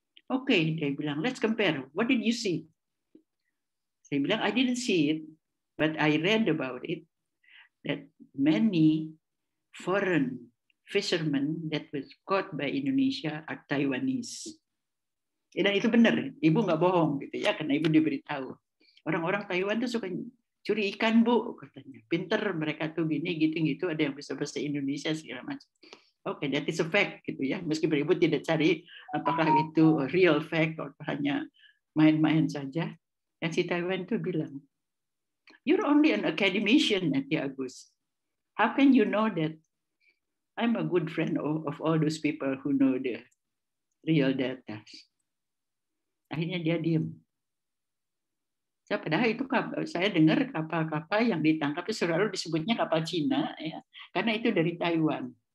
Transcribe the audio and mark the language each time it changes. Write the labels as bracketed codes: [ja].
[en] Okay, [id] dia bilang, [en] let's compare. What did you see? [id] Saya bilang, [en] I didn't see it, but I read about it, that many foreign fishermen that was caught by Indonesia are Taiwanese. [id] Dan itu benar, ibu nggak bohong gitu ya, karena ibu diberitahu orang-orang Taiwan tuh suka curi ikan bu, katanya pinter mereka tuh gini gitu, ada yang bisa bahasa Indonesia segala macam. [en] Okay, that is a fact [id] gitu ya, meskipun ibu tidak cari apakah itu real fact atau hanya main-main saja. Dan si Taiwan tuh bilang, [en] you're only an academician, [id] Ati Agus. [en] How can you know that? I'm a good friend of all those people who know the real data. [id] Akhirnya dia diem. Saya padahal itu saya dengar kapal-kapal yang ditangkap itu selalu disebutnya kapal Cina ya, karena itu dari Taiwan.